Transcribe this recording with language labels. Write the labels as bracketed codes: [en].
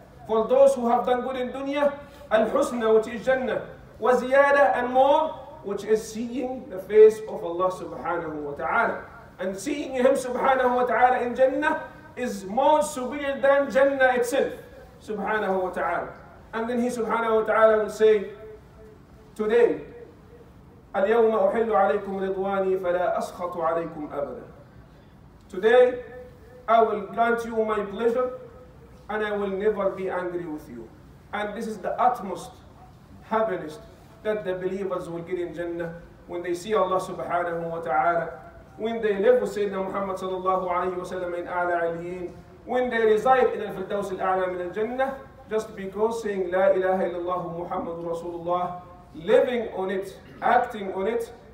[en] For those who have done good in dunya, الْحُسْنَى which is Jannah, وَزِيَادَ and more, which is seeing the face of Allah subhanahu wa ta'ala. And seeing Him subhanahu wa ta'ala in Jannah is more superior than Jannah itself. [ar] subhanahu wa ta'ala. [en] And then he subhanahu wa ta'ala will say, today, [ar] اليوم أحل عليكم رضواني فلا أسخط عليكم أبدا. [en] Today, I will grant you my pleasure and I will never be angry with you. And this is the utmost happiness that the believers will get in Jannah when they see Allah subhanahu wa ta'ala, when they live with Sayyidina Muhammad sallallahu alayhi wa sallam in A'la Aliyin, when they reside in Al-Firdaus Al-A'la min Al-Jannah, just because saying La ilaha illallah Muhammad Rasulullah, living on it, acting on it,